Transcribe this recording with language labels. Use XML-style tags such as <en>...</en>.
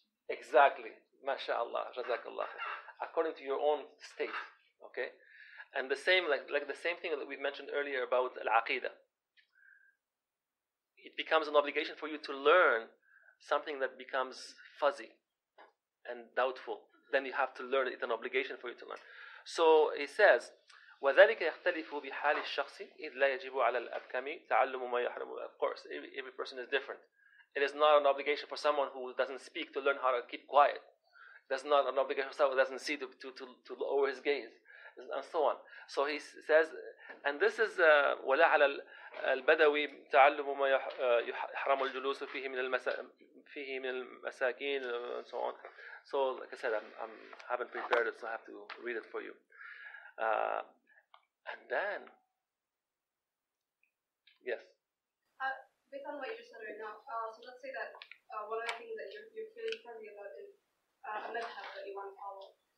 <en>Exactly, mashallah, jazakallah. According to your own state, okay. And the same, like the same thing that we've mentioned earlier about al-aqidah. It becomes an obligation for you to learn something that becomes fuzzy and doubtful. Then you have to learn it. It's an obligation for you to learn. So he says,</en> <ar>وَذَلِكَ يَخْتَلِفُ بِحَالِ الشَّخْصِ إِذْ لَا يَجِبُ عَلَى الْأَبْكَمِ تَعَلُّمُ مَا يَحْرَمُ.</ar> <en>Of course, every person is different. It is not an obligation for someone who doesn't speak to learn how to keep quiet. That's not an obligation for someone who doesn't see to lower his gaze, and so on. So he says, and this is</en> <ar>وَلَا عَلَى الْبَدَوِي تَعَلُّمُ مَا يُحْرَمُ الْجُلُوسُ فِيهِ مِنَ الْمَسَاكِينَ,</ar> <en>and so on. So like I said, I haven't prepared it, so I have to read it for you. And then, yes. Based on what you said right now, so let's say that one of the things that you're feeling friendly about is a madhab that you want to follow.</en>